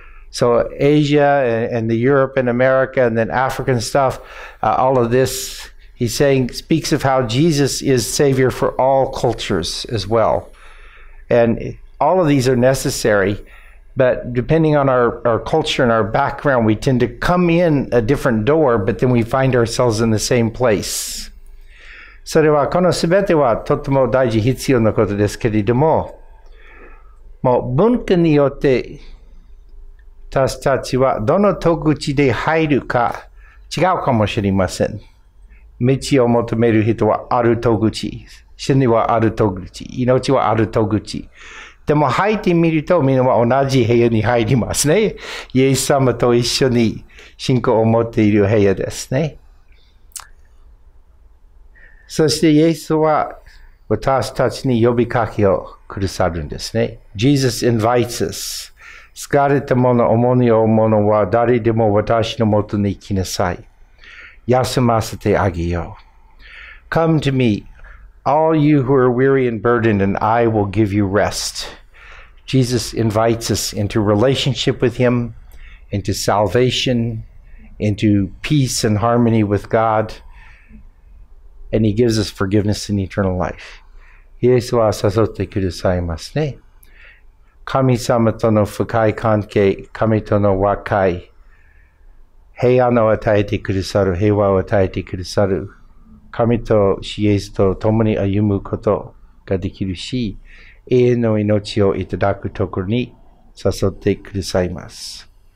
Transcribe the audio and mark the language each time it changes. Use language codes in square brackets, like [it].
[en] So Asia and the Europe and America and then African stuff, all of this, he's saying, speaks of how Jesus is Savior for all cultures as well. And all of these are necessary, but depending on our culture and our background, we tend to come in a different door, but then we find ourselves in the same place. [ja] それはこのすべてはとても大事必要なことですけれども、もう文化によって私たちはどの戸口で入るか違うかもしれません。道を求める人はある戸口、真理はある戸口、命はある戸口。でも入ってみるとみんなは同じ部屋に入りますね。イエス様と一緒に信仰を持っている部屋ですね。そしてイエスは私たちに呼びかけをくださるんですね。 [en] Jesus invites us. [ja] 疲れた者、重荷を負う者は誰でも私のもとに来なさい。休ませてあげよう。 [en] Come to me, all you who are weary and burdened, and I will give you rest. Jesus invites us into relationship with him, into salvation, into peace and harmony with God, and He gives us forgiveness and eternal life. [ja] イエスは誘ってくださいますね。神様との深い関係、神との和解、平安を与えてくださる、平和を与えてくださる、神とイエスと共に歩むことができるし、永遠の命をいただくところに誘ってくださいます。